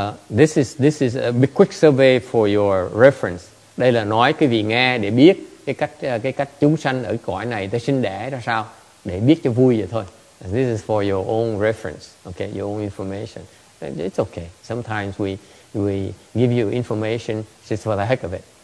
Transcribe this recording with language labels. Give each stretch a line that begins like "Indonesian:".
English: This is a big quick survey for your reference.
Vietnamese: Đây là nói cái vị nghe để biết cái cách chúng sanh ở cõi này tới sinh đẻ ra sao để biết cho vui vậy thôi.
English: This is for your own reference, okay? Your own information. It's okay. Sometimes we give you information just for the heck of it.